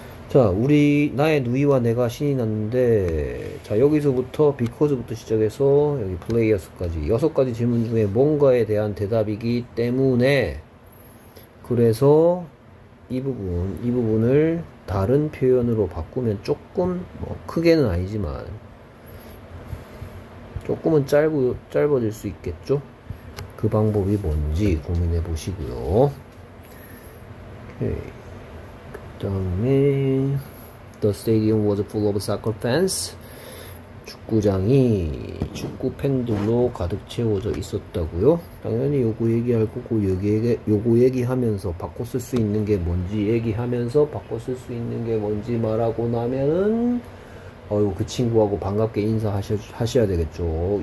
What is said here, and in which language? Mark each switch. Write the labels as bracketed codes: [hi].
[ko] 자, 우리 나의 누이와 내가 신이 났는데 자, 여기서부터 because부터 시작해서 여기 players까지 여섯 가지 질문 중에 뭔가에 대한 대답이기 때문에 그래서 이 부분을 다른 표현으로 바꾸면 조금 뭐 크게는 아니지만 조금은 짧아질 수 있겠죠? 그 방법이 뭔지 고민해 보시고요. 오케이. 그다음에 [en] The stadium was full of soccer fans. [ko] 축구장이 축구 팬들로 가득 채워져 있었다고요? 당연히 요거 얘기할 거고 요거 얘기하면서 바꿔 쓸수 있는 게 뭔지 얘기하면서 바꿔 쓸수 있는 게 뭔지 말하고 나면은 어유 그 친구하고 반갑게 하셔야 되겠죠.